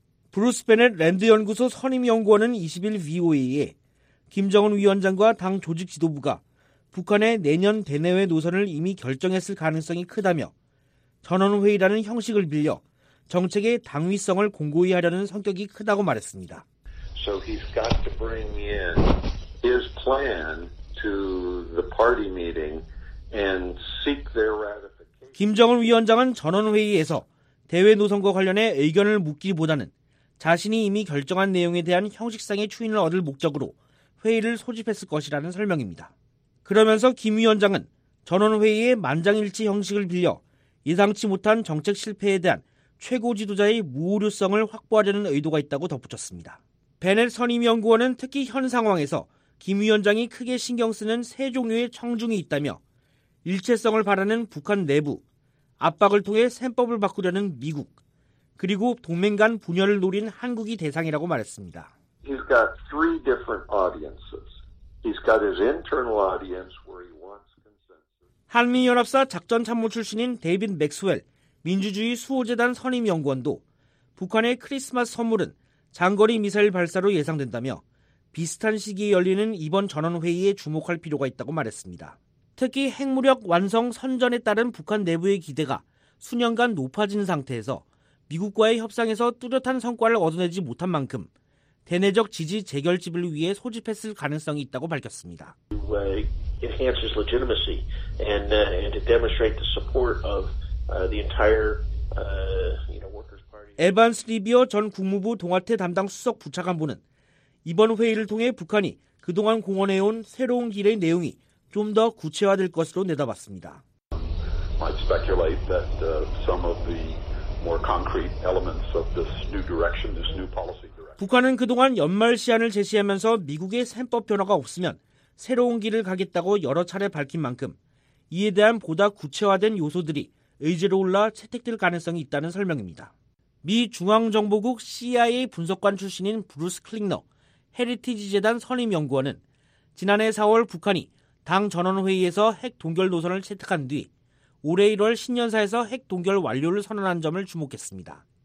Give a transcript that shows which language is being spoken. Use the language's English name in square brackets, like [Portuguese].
[Korean] 브루스 베넷 랜드연구소 선임연구원은 20일 VOA에 김정은 위원장과 당 조직 지도부가 북한의 내년 대내외 노선을 이미 결정했을 가능성이 크다며 전원회의라는 형식을 빌려 정책의 당위성을 공고히 하려는 성격이 크다고 말했습니다. [English] So he's got to bring in his plan to the party meeting and seek their ratification. [Korean] 김정은 위원장은 전원회의에서 대외 노선과 관련해 의견을 묻기보다는 자신이 이미 결정한 내용에 대한 형식상의 추인을 얻을 목적으로 회의를 소집했을 것이라는 설명입니다. 그러면서 김 위원장은 전원회의의 만장일치 형식을 빌려 예상치 못한 정책 실패에 대한 최고 지도자의 무오류성을 확보하려는 의도가 있다고 덧붙였습니다. 베넷 선임연구원은 특히 현 상황에서 김 위원장이 크게 신경 쓰는 세 종류의 청중이 있다며 일체성을 바라는 북한 내부, 압박을 통해 셈법을 바꾸려는 미국, 그리고 동맹 간 분열을 노린 한국이 대상이라고 말했습니다. [English] He's got three different audiences. He's got his internal audience where he wants consensus. [Korean] 한미연합사 작전참모 출신인 데이빗 맥스웰, 민주주의 수호재단 선임연구원도 북한의 크리스마스 선물은 장거리 미사일 발사로 예상된다며 비슷한 시기에 열리는 이번 전원회의에 주목할 필요가 있다고 말했습니다. 특히 핵무력 완성 선전에 따른 북한 내부의 기대가 수년간 높아진 상태에서 미국과의 협상에서 뚜렷한 성과를 얻어내지 못한 만큼 대내적 지지 재결집을 위해 소집했을 가능성이 있다고 밝혔습니다. 에반스 리비어 전 국무부 동아태 담당 수석 부차관보는 이번 회의를 통해 북한이 그동안 공언해온 새로운 길의 내용이 좀 더 구체화될 것으로 내다봤습니다. [English] I speculate that some of the more concrete elements of this new direction, this new policy direction. [Korean] 북한은 그동안 연말 시한을 제시하면서 미국의 셈법 변화가 없으면 새로운 길을 가겠다고 여러 차례 밝힌 만큼 이에 대한 보다 구체화된 요소들이 의제로 올라 채택될 가능성이 있다는 설명입니다. 미 중앙정보국 CIA 분석관 출신인 브루스 클릭너, 헤리티지 재단 선임연구원은 지난해 4월 북한이 당 전원회의에서 핵 동결 노선을 채택한 뒤 올해 1월 신년사에서 핵 동결 완료를 선언한 점을 주목했습니다.